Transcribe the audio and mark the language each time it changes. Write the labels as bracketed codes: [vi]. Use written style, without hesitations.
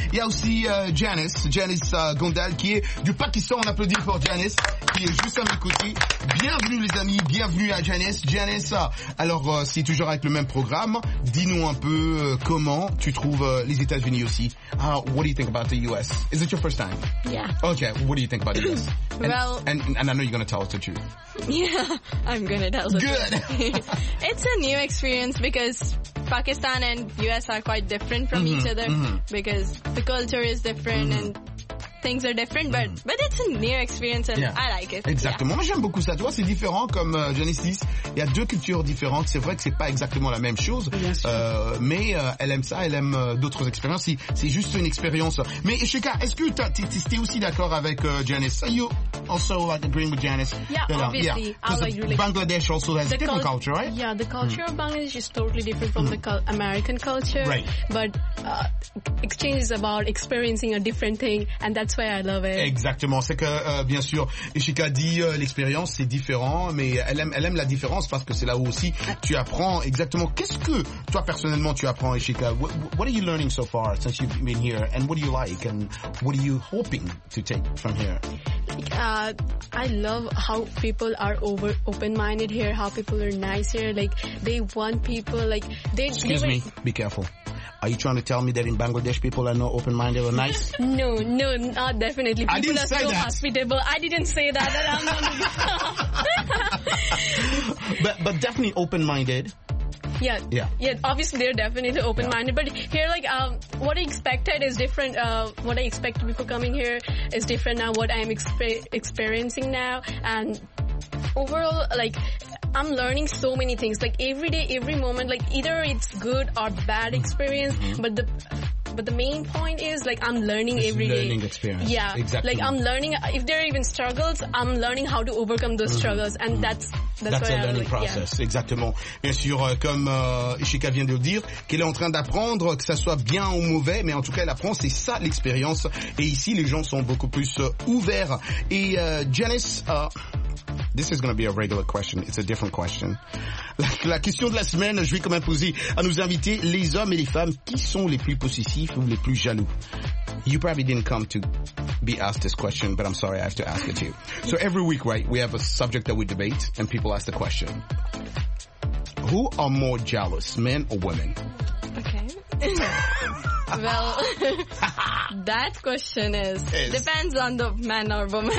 [fr] Il y a aussi Janice Gondal, qui est du Pakistan. On applaudit pour Janice, qui est juste à mes côtés. Bienvenue, les amis. Bienvenue à Janice. Janessa, alors c'est toujours avec le même programme. Dis-nous un peu comment tu trouves les États-Unis aussi. [en] What do you think about the US? Is it your first time? Yeah. Okay, what do you think about the US? Well, and I know you're going to tell us the truth. Yeah, I'm going to tell us the truth. Good. It's a new experience because Pakistan and US are quite different from each other because the culture is different and things are different, but it's a new experience and I like it. [fr] Exactement. Yeah. Moi, j'aime beaucoup ça. Tu vois, c'est différent comme Genesis. Il y a deux cultures différentes. C'est vrai que c'est pas exactement la même chose. Mais elle aime ça. Elle aime d'autres expériences. C'est juste une expérience. Mais Ishika, est-ce que t'es aussi d'accord avec Janice? [en] Are you also agreeing with Janice? Yeah, obviously. Bangladesh also has a different culture, right? Yeah, the culture of Bangladesh is totally different from the American culture. Right. But exchange is about experiencing a different thing and that's why I love it. [fr] Exactement. C'est que, bien sûr, Ishika dit l'expérience, c'est différent, mais elle aime la différence parce que c'est là où aussi tu apprends exactement. Qu'est-ce que toi, personnellement, tu apprends, Ishika? [en] What are you learning so far since you've been here? And what do you like? And what are you hoping to take from here? I love how people are open-minded here, how people are nice here. Like, they want people, like, they... Excuse me. Be careful. Are you trying to tell me that in Bangladesh people are not open-minded or nice? No, not definitely. People I didn't are say so that. Hospitable. I didn't say that. That I'm not. but definitely open-minded. Yeah. Obviously, they're definitely open-minded. Yeah. But here, like, what I expected is different. What I expected before coming here is different now. What I'm experiencing now, and overall, like, I'm learning so many things. Like every day, every moment. Like either it's good or bad experience, but the main point is like I'm learning every day. Learning experience. Yeah. Exactly. Like I'm learning. If there are even struggles, I'm learning how to overcome those struggles, and that's a learning process. Yeah. [fr] Exactement. Bien sûr, comme Ishika vient de le dire, qu'elle est en train d'apprendre, que ça soit bien ou mauvais, mais en tout cas, elle apprend. C'est ça l'expérience. Et ici, les gens sont beaucoup plus ouverts. Et Janice. [en] This is going to be a regular question. It's a different question. [fr] La question de la semaine, je vais quand même poser à nos invités, les hommes et les femmes, qui sont les plus possessifs ou les plus jaloux? [en] You probably didn't come to be asked this question, but I'm sorry, I have to ask it to you. So every week, right, we have a subject that we debate and people ask the question. Who are more jealous, men or women? Okay. Well, that question is depends on the man or woman.